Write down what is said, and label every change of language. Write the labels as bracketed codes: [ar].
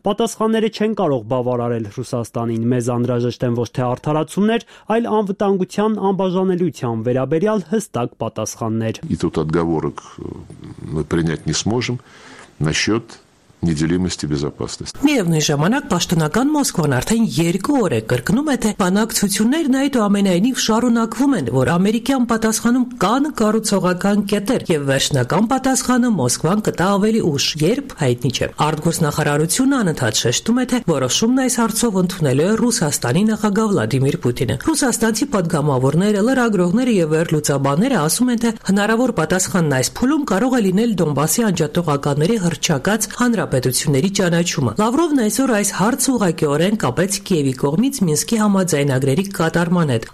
[hy] Պատասխանները չեն կարող բավարարել Ռուսաստանը։ Ստանին մեզ անհրաժեշտ են ոչ թե արդարացումներ, այլ անվտանգության անբաժանելիության վերաբերյալ հստակ պատասխաններ։ [ru] И тут отговорок мы принять не сможем насчёт неделимости безопасности. [hy] Միևնույն ժամանակ պաշտոնական Մոսկվան արդեն 2 օր է կրկնում է, թե բանակցություններն այդուամենայնիվ շարունակվում են, որ ամերիկյան պատասխանում կան կառուցողական կետեր եւ վերջնական պատասխանը Մոսկվան կտա ավելի ուշ, երբ հայտնի չէ։ Արտգործնախարարությունը անընդհատ շեշտում է, թե որոշումն այս հարցով ընդունել է Ռուսաստանի նախագահ Վլադիմիր Պուտինը։ Ռուսաստանի պատգամավորները, լրագրողները եւ վերլուծաբանները ասում են, թե հնարավոր պատասխանն այս փուլում կարող է լինել Դոնբասի անջատողականների հրճակած հանրապետությունների ճանաչումը։ Լավրովն այսօր այս հարցը ուղղակիորեն կապեց Կիևի կողմից Մինսկի համաձայնագրերի կատարման հետ,